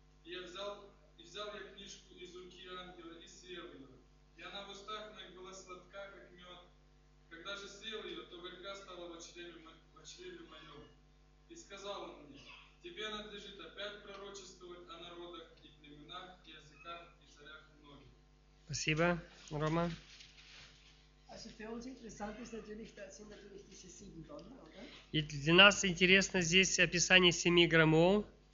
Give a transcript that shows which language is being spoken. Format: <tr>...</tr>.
<ru>И я взял, я книжку из руки ангела и съел ее, и она в устах моих была сладка, как мед. Когда же съел ее, то горька стала во чреве моем. И сказал он мне: «Тебе надлежит опять пророчествовать о народах и племенах, и языках, и царях многих». Спасибо, Рома.</ru> <de>Also für uns interessant ist natürlich, da sind natürlich diese sieben Donner, oder?</de> <ru>И для нас интересно здесь описание семи громов.</ru>